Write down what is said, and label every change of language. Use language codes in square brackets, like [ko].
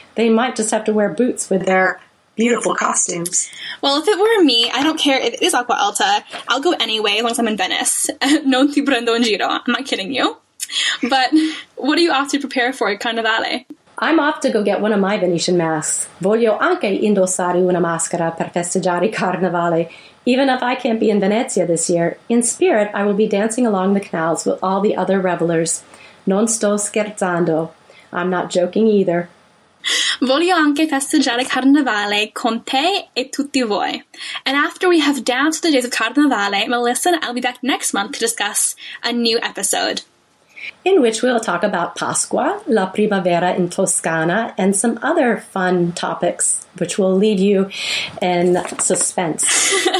[en] They might just have to wear boots with their beautiful costumes. Well, if it were me, I don't care if it is Acqua Alta. I'll go anyway as long as I'm in Venice. [it] Non ti prendo in giro. [en] I'm not kidding you. But what are you off to prepare for Carnevale? I'm off to go get one of my Venetian masks. [it] Voglio anche indossare una maschera per festeggiare Carnevale. [en] Even if I can't be in Venezia this year, in spirit I will be dancing along the canals with all the other revelers. [it] Non sto scherzando. [en] I'm not joking either. [it] Voglio anche festeggiare Carnevale con te e tutti voi. [en] And after we have danced the days of Carnevale, Melissa and I'll be back next month to discuss a new episode. In which we'll talk about Pasqua, [it] la primavera in Toscana, [en] and some other fun topics, which will leave you in suspense.